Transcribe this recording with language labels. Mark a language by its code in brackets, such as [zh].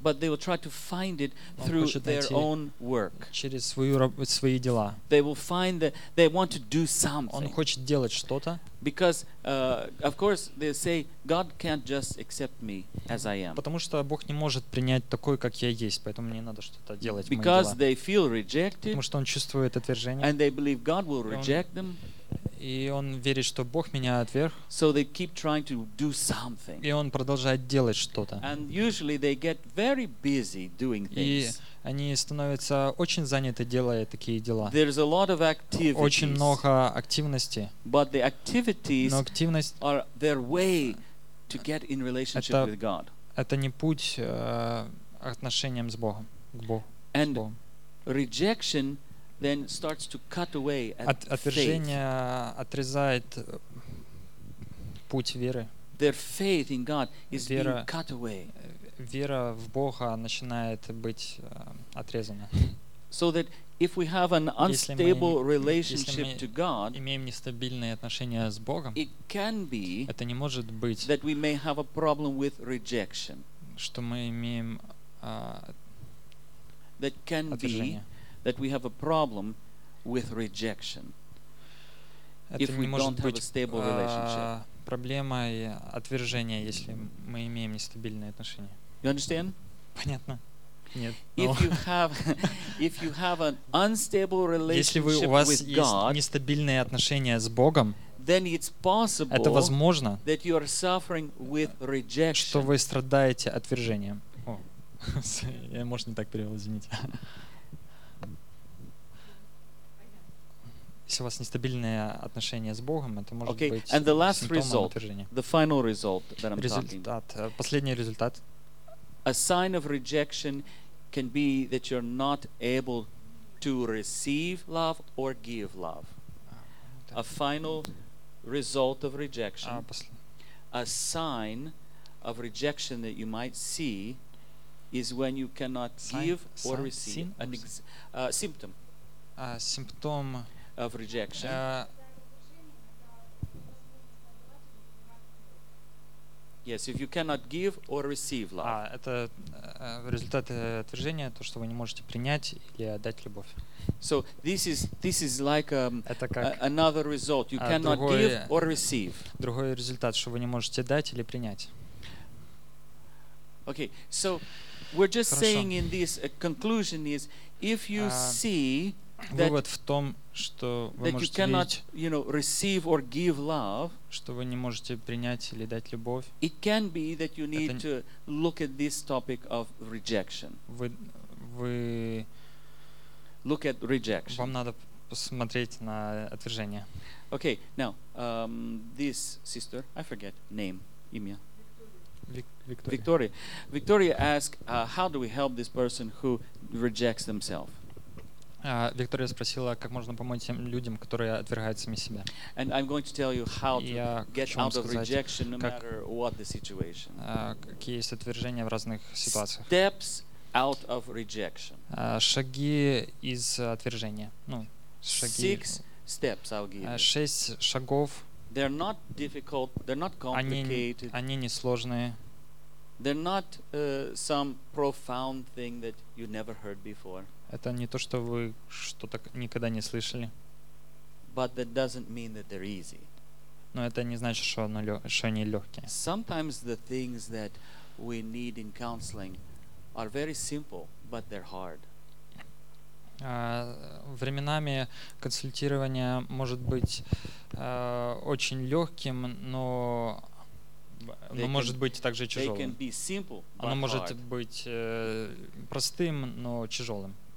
[en] but they will try to find it through their own work. [ru] Через свои дела. [en] They will find that they want to do something. [ru] Он хочет делать что-то. [en] Because, of course, they say God can't just accept me as I am. [ru] Потому что Бог не может принять такой, как я есть, поэтому мне надо что-то делать. [en] Because they feel rejected. [ru] Потому что он чувствует отвержение. [en] And they believe God will reject them. [ru] И он верит, что Бог меня отверг. [en] So they keep trying to do something. [ru] И он продолжает делать что-то. [en] And usually they get very busy doing things. [ru] И они становятся очень заняты, делая такие дела. [en] There's a lot of activities. [ru] Очень много активности. [en] But the activities are their way to get in relationship with God. [ru] Это не путь отношениям с Богом. [en] And rejection then starts to cut away at faith. [ru] Отвержение отрезает путь веры. [en] Their faith in God is being cut away. [ru] Вера в Бога начинает быть отрезана. [en] So that if we have an unstable relationship to God, [ru] имеем нестабильные отношения с Богом, [en] it can be [ru] это не может быть [en] that we may have a problem with rejection. [ru] Что мы имеем [en] that can [ru] отвержение. [en] Be that we have a problem with rejection. [ru] Это [en] if we don't have [ru] быть, [en] a stable relationship. [ru] Проблема отвержения, если мы имеем нестабильные отношения. [en] You understand? [ru] Понятно. Нет. [en] If you have an unstable relationship with God, [ru] если у вас есть нестабильные отношения с Богом, [en] then it's possible [ru] это возможно, [en] that you are suffering with rejection. [ru] Что вы страдаете отвержением. О, я, может, не так перевел, извините. если у вас нестабильные отношения с Богом, это может [en] okay. [ru] быть [en] and the last [ru] симптомом [en] result, [ru] отвержения. [en] The final result that I'm [ru] результат, [en] talking. [ru] Последний результат. [en] A sign of rejection can be that you're not able to receive love or give love. A final result of rejection. A sign of rejection that you might see is when you cannot give or receive. An symptom. A symptom of rejection. Yes, if you cannot give or receive love. [ru] Это результат отвержения, то, что вы не можете принять или отдать любовь. [en] So this is like another result. You cannot give or receive. [ru] Другой результат, что вы не можете дать или принять. [en] Okay, so we're just [ru] Хорошо. [en] Saying in this conclusion is if you see [ru] Вывод в том, что вы можете [en] cannot, [ru] видеть, [en] you know, receive or give love, [ru] что вы не можете принять или дать любовь. [en] It can be that you need to look at this topic of rejection. [ru] Вы [en] look at rejection. [ru] Вам надо посмотреть на отвержение. [en] Okay, now this sister, I forget name, имя. Victoria. Victoria asked, how do we help this person who rejects themselves? [ru] Виктория спросила, как можно помочь тем людям, которые отвергают сами себя. [en] And I'm going to tell you how to get out [ru] сказать, [en] of rejection, no matter what the situation. [ru] Какие есть отвержения в разных ситуациях. [en] Steps out of rejection. [ru] Шаги из отвержения. Ну, шаги. [en] Six steps I'll give. [ru] Шесть шагов. [en] They're not difficult. They're not complicated. [ru] Они не сложные. [en] They're not some profound thing that you never heard before. [ru] Это не то, что вы что-то никогда не слышали. [en] But that doesn't mean that they're easy. [ru] Но это не значит, что они легкие. [en] Sometimes the things that we need in counseling are very simple, but they're hard. [ru] Временами консультирование может быть очень легким, но может быть также тяжелым. Оно может быть простым, но тяжелым.